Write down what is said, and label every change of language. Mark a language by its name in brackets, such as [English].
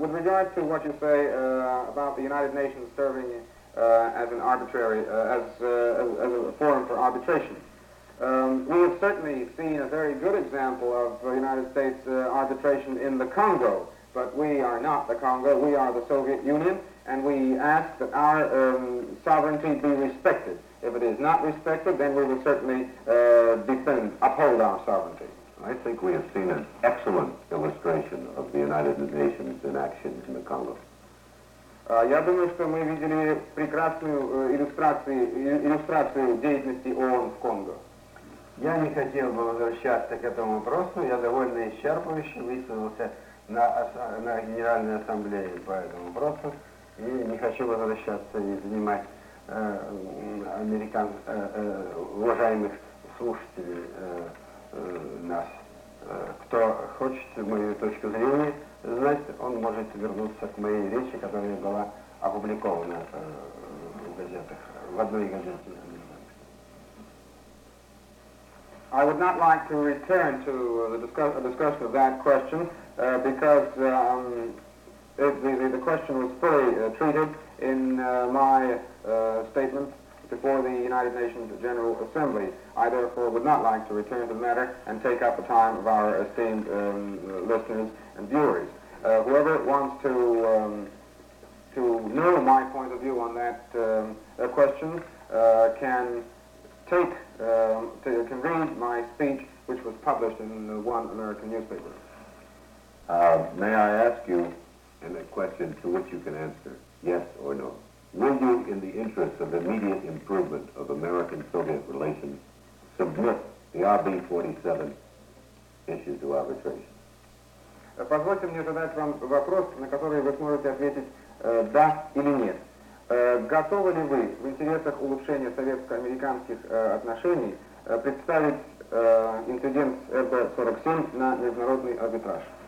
[English] With regard to what you say about the United Nations serving as an arbitrary, as a forum for arbitration, we have certainly seen a very good example of United States arbitration in the Congo, but we are not the Congo, we are the Soviet Union, and we ask that our sovereignty be respected. If it is not respected, then we will certainly uphold our sovereignty. I think we have seen an excellent illustration of the United Nations in action in the Congo. [Russian] Я думаю, что мы видели прекрасную иллюстрацию деятельности ООН в Конго. Я не хотел бы возвращаться к этому вопросу. Я довольно исчерпывающе высказался на Генеральной Ассамблее по этому вопросу. И не хочу возвращаться и занимать уважаемых слушателей нас. Кто хочет мою точку зрения знать, он может вернуться к моей речи, которая была опубликована в газетах, в одной газете. [English] I would not like to return to the discussion of that question because the question was fully treated in my statement before the United Nations General Assembly. I therefore would not like to return to the matter and take up the time of our esteemed listeners and viewers. Whoever wants to know my point of view on that question can take can read my speech, which was published in one American newspaper. May I ask you in a question to which you can answer yes or no? Will you, in the interest of immediate improvement of American-Soviet relations, submit the RB-47 issue to arbitration? [Russian] Позвольте мне задать вам вопрос, на который вы сможете ответить да или нет. Готовы ли вы в интересах улучшения советско-американских отношений представить инцидент РБ-47 на международный арбитраж?